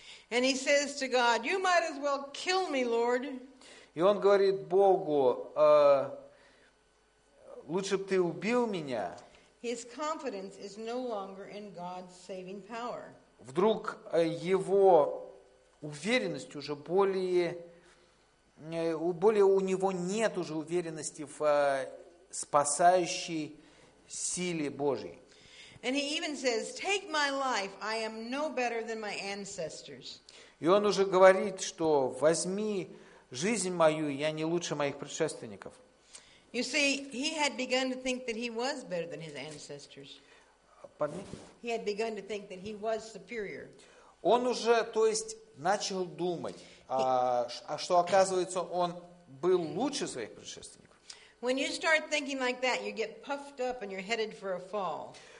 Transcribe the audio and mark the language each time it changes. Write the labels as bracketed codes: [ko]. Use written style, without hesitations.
[en] And he says to God, "You might as well kill me, Lord." [ru] И он говорит Богу, лучше бы ты убил меня. [en] His confidence is no longer in God's saving power. [ru] Вдруг его уверенность уже более, у него нет уже уверенности в спасающей силе Божьей. [en] And he even says, "Take my life. I am no better than my ancestors." [ru] И он уже говорит, что возьми жизнь мою, я не лучше моих предшественников. [en] You see, he had begun to think that he was better than his ancestors. Pardon? He had begun to think that he was superior. [ru] Он уже, то есть, начал думать, что оказывается, он был лучше своих предшественников. [en] When you start thinking like that, you get puffed up and you're headed for a fall.